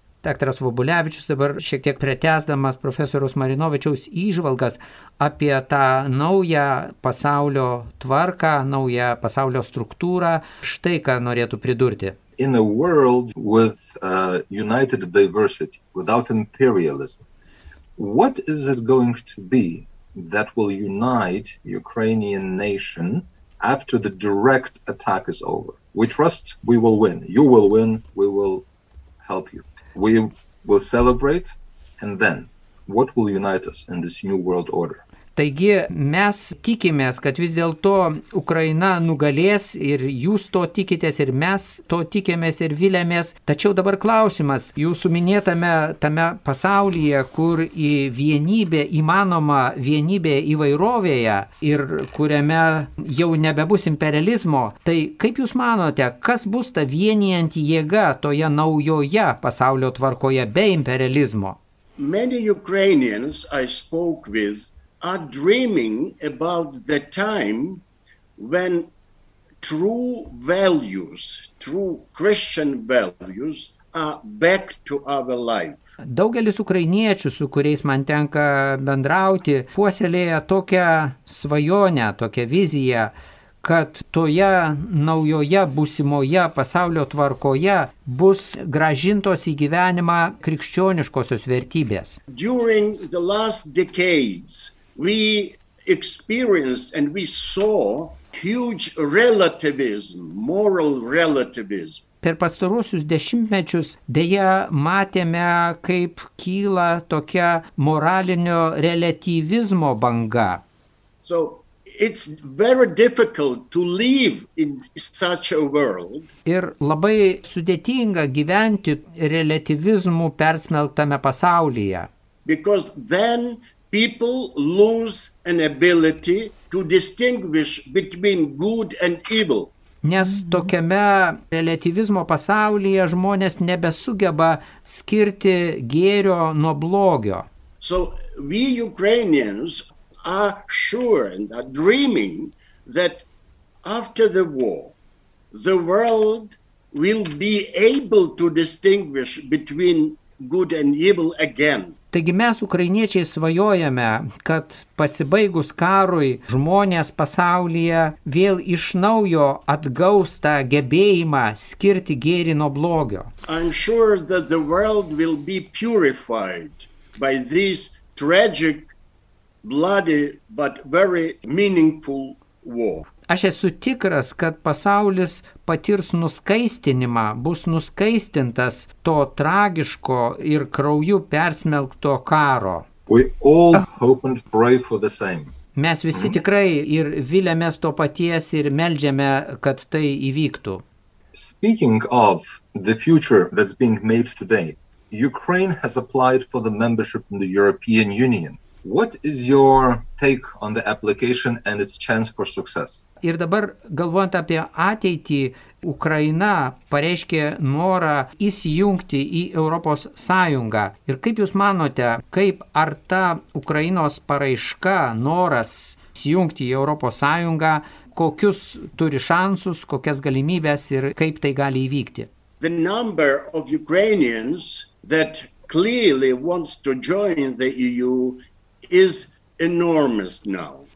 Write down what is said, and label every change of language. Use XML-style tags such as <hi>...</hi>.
<lt>Daktaras Vobulevičius dabar šiek tiek pretesdamas profesoriaus Marinovičiaus įžvalgas apie tą naują pasaulio tvarką, naują pasaulio struktūrą, štai ką norėtų pridurti.</lt> <en>In a world with united diversity, without imperialism, what is it going to be that will unite Ukrainian nation after the direct attack is over? We trust we will win. You will win. We will help you. We will celebrate, and then, what will unite us in this new world order?</en> <lt>Taigi, mes tikimės, kad vis dėlto Ukraina nugalės, ir jūs to tikitės, ir mes to tikėmės ir vilėmės. Tačiau dabar klausimas, jūsų minėtame tame pasaulyje, kur į vienybę įmanoma vienybė įvairovėje, ir kuriame jau nebebus imperializmo, tai kaip jūs manote, kas bus ta vienijanti jėga toje naujoje pasaulio tvarkoje be imperializmo?</lt> <en>Many Ukrainians I spoke with are dreaming about the time when true values, true Christian values are back to our life.</en> <lt>Daugelis ukrainiečių, su kuriais man tenka bendrauti, puoselėja tokią svajonę, tokią viziją, kad toje naujoje būsimoje pasaulio tvarkoje bus gražintos į gyvenimą krikščioniškosios vertybės.</lt> <en>During the last decades, we experienced and we saw huge relativism, moral relativism.</en> <lt>Per pastaruosius dešimtmečius deja matėme, kaip kyla tokia moralinio relativizmo banga.</lt> <en>So it's very difficult to live in such a world.</en> <lt>Ir labai sudėtinga gyventi relativizmu persmelktame pasaulyje.</lt> <en>Because then people lose an ability to distinguish between good and evil.</en> <lt>Nes tokiame relativizmo pasaulyje žmonės nebesugeba skirti gėrio nuo blogio.</lt> <en>So we Ukrainians are sure and are dreaming that after the war, the world will be able to distinguish between good and evil again.</en> <lt>Taigi mes, ukrainiečiai, svajojame, kad pasibaigus karui žmonės pasaulyje vėl iš naujo atgaus tą gebėjimą skirti gėrį nuo blogio.</lt> <en>I'm sure that the world will be purified by this tragic, bloody, but very meaningful war.</en> <lt>Aš esu tikras, kad pasaulis patirs nuskaistinimą, bus nuskaistintas to tragiško ir krauju persmelkto karo.</lt> <en>We all hope and pray for the same.</en> <lt>Mes visi tikrai ir viliamės to paties ir meldžiame, kad tai įvyktų.</lt> <en>Speaking of the future that's being made today, Ukraine has applied for the membership in the European Union. What is your take on the application and its chance for success?</en> <lt>Ir dabar, galvojant apie ateitį, Ukraina pareiškė norą įsijungti į Europos Sąjungą. Ir kaip jūs manote, kaip ar ta Ukrainos paraiška, noras įsijungti į Europos Sąjungą, kokius turi šansus, kokias galimybės ir kaip tai gali įvykti?</lt> <en>The number of Ukrainians that clearly wants to join the EU is enormous now.</en>